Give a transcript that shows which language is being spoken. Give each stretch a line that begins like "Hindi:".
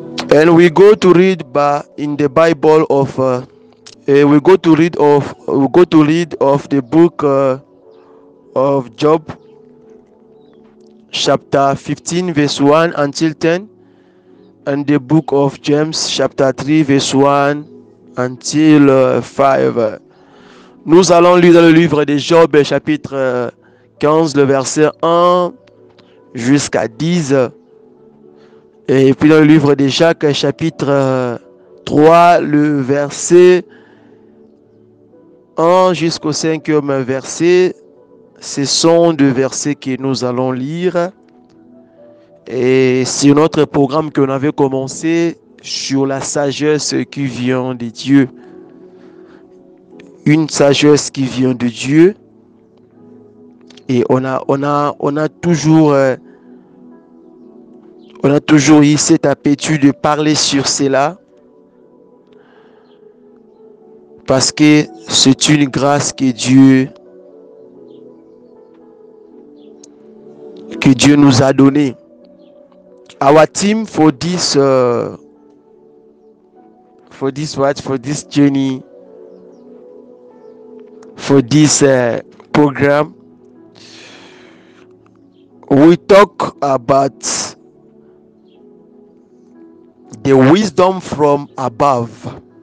English: And we go to read in the Bible of the book of Job, chapter 15 verse 1 until 10, and the book of James chapter 3 verse 1 until 5.
French: Nous allons lire dans le livre de Job chapitre 15 le verset 1 jusqu'à 10, et puis dans le livre de Jacques chapitre 3 le verset 1 jusqu'au 5e verset, ce sont deux versets que nous allons lire. Et c'est notre programme qu'on avait commencé sur la sagesse qui vient de Dieu. Une sagesse qui vient de Dieu. Et on a toujours eu cet appétit de parler sur cela. Parce que c'est une grâce que Dieu nous a donnée.
English: Our team for this journey, for this program, we talk about the wisdom from above.